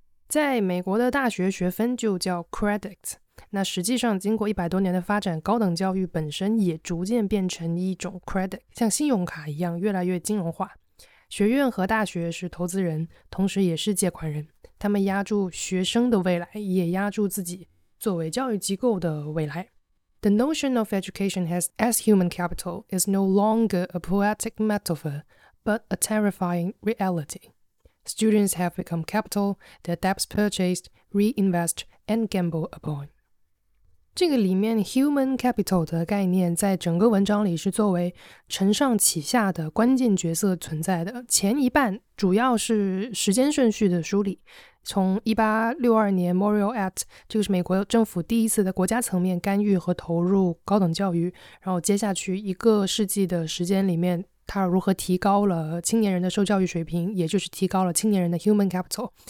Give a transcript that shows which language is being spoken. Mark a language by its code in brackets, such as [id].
[zh] 在美国的大学学分就叫 credit， 那实际上经过100多年的发展，高等教育本身也逐渐变成一种 credit， 像信用卡一样越来越金融化。学院和大学是投资人，同时也是借款人，他们压住学生的未来，也压住自己作为教育机构的未来。 [en] The notion of education as human capital is no longer a poetic metaphor, but a terrifying reality. Students have become capital, their debts purchased, reinvest, and gamble upon. [zh] 这个里面 human capital 的概念在整个文章里是作为承上启下的关键角色存在的。前一半主要是时间顺序的梳理，从1862年 Morrill Act， 这个是美国政府第一次的国家层面干预和投入高等教育，然后接下去一个世纪的时间里面，它如何提高了青年人的受教育水平，也就是提高了青年人的 human capital。